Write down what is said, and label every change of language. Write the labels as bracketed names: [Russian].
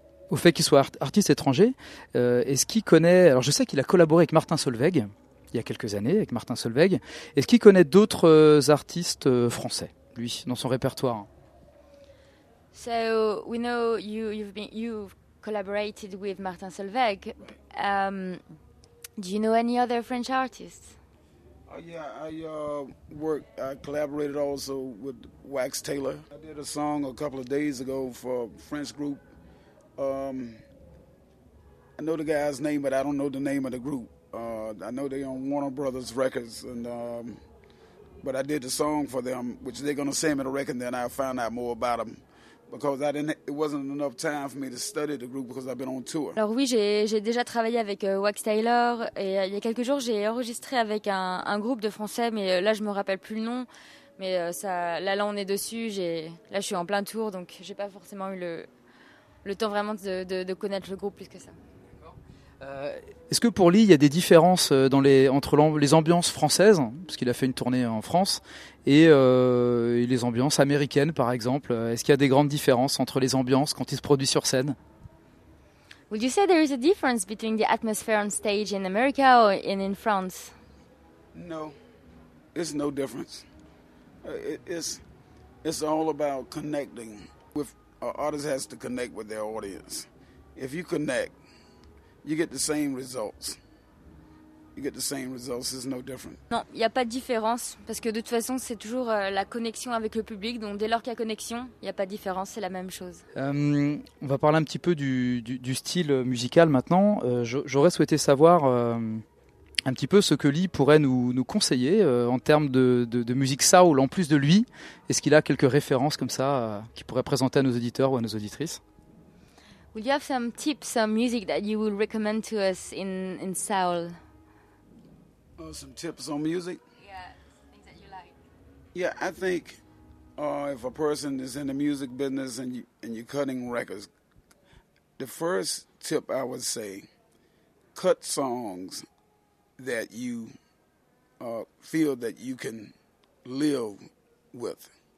[French] au fait qu'il soit artiste étranger, est-ce qu'il connaît... Alors, je sais qu'il a collaboré avec Martin Solveig, il y a quelques années, avec Martin Solveig. Est-ce qu'il connaît d'autres artistes français, lui, dans son répertoire? [English] So, we know you've collaborated with Martin Solveig. Do you know any other French artists? I collaborated also with Wax Taylor. I did a song a couple of days ago for a French group. I know the guy's name, but I don't know the name of the group. I know they're on Warner Brothers Records, but I did the song for them, which they're going to send me the record, and then I'll find out more about them. because I didn't, it wasn't enough time for me to study the group because I've been on tour. [French] Alors oui, j'ai déjà travaillé avec Wax Taylor et il y a quelques jours j'ai enregistré avec un groupe de français, mais là je me rappelle plus le nom. Mais ça, là on est dessus. Là je suis en plein tour, donc j'ai pas forcément eu le temps vraiment de connaître le groupe plus que ça. Est-ce que pour Lee, il y a des différences entre les ambiances françaises, parce qu'il a fait une tournée en France, et les ambiances américaines, par exemple? Est-ce qu'il y a des grandes différences entre les ambiances quand il se produit sur scène? [English] Would you say there is a difference between the atmosphere on stage in America or in France? No, there's no difference. It's all about connecting. With an artist has to connect with their audience. If you connect, you get the same results. You get the same results. There's no difference. [French] Non, il y a pas de différence parce que de toute façon, c'est toujours la connexion avec le public. Donc dès lors qu'il y a connexion, il y a pas de différence, c'est la même chose. On va parler un petit peu du style musical maintenant. J'aurais souhaité savoir un petit peu ce que Lee pourrait nous conseiller en termes de musique soul en plus de lui. Est-ce qu'il a quelques références comme ça qu'il pourrait présenter à nos auditeurs ou à nos auditrices? [English] Would you have some tips, some music that you would recommend to us in soul? Oh, some tips on music? Yeah, things that you like. Yeah, I think if a person is in the music business and you're cutting records, the first tip I would say, cut songs that you feel that you can live with.